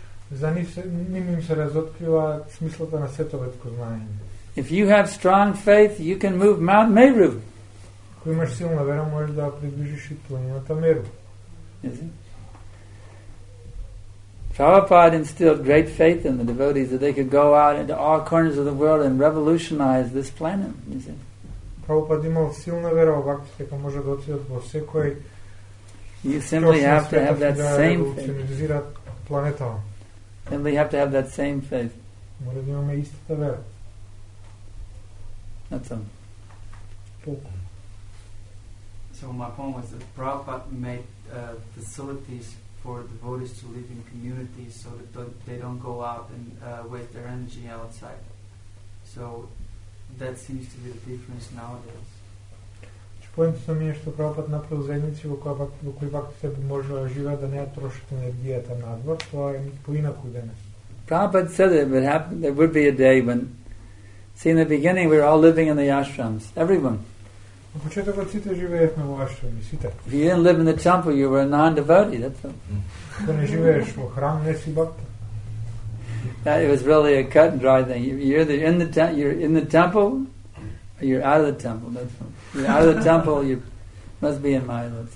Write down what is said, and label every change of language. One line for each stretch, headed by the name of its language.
Macedonian: За ним им се разоткрива смислата на световетко знаење.
English: If you have strong faith, you can move Mount Meru.
Macedonian: Ако имаш силна вера, можеш да придвижиш и планината Меру.
English: Prabhupada instilled great faith in the devotees that they could go out into all corners of the world and revolutionize this planet.
Macedonian: Prabhupada имал силна вера во бхактите, кои може да отидат во секој.
English: You simply have to have that same faith. Then we have to have that same faith. That's all. So my point was that Prabhupada made facilities for devotees to live in communities so that they don't go out and waste their energy outside. So that seems to be the difference nowadays.
Macedonian: Поинтот на мене е што Прабхупад направил заедници во кои бхактите би можеле да живеат да не ја трошат енергијата надвор, тоа е поинаку денес.
English: Прабхупад said that it would happen, there would be a day when, see in the beginning we were all living in the ashrams, everyone.
Macedonian: Во почетокот сите живеевме во ашрами, сите.
English: If you didn't live in the temple, you were a non-devotee, that's all.
Macedonian: Ако не живееш во храм, не си бхакта.
English: That it was really a cut and dry thing. You're in the temple, or you're out of the temple, that's all. You're out of the temple, you must be in Maya.